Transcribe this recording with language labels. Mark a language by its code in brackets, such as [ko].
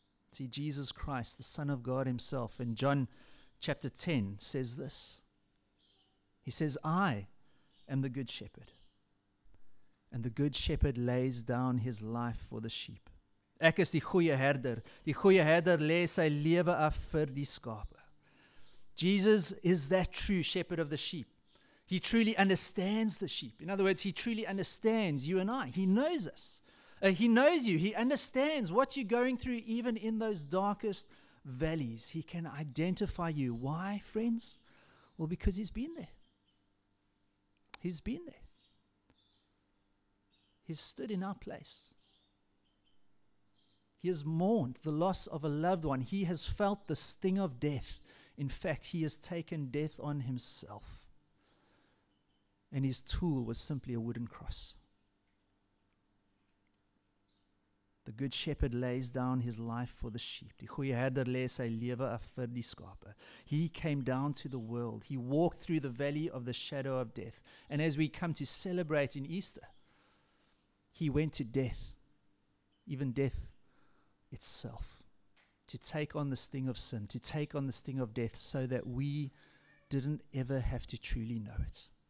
[en] See, Jesus Christ, the Son of God himself, in John chapter 10 says this. He says, I am the good shepherd. And the good shepherd lays down his life for the sheep. [af] Ek is die goeie herder. Die goeie herder lê sy lewe af vir die skape. [en] Jesus is that true shepherd of the sheep. He truly understands the sheep. In other words, he truly understands you and I. He knows us. He knows you. He understands what you're going through even in those darkest valleys. He can identify you. Why, friends? Well, because he's been there. He's been there. He's stood in our place. He has mourned the loss of a loved one. He has felt the sting of death. In fact, he has taken death on himself. And his tool was simply a wooden cross. The good shepherd lays down his life for the sheep. [af] Die goeie herder lê sy lewe af vir die skape. [en] He came down to the world. He walked through the valley of the shadow of death. And as we come to celebrate in Easter, he went to death, even death itself, to take on the sting of sin, to take on the sting of death, so that we didn't ever have to truly know it.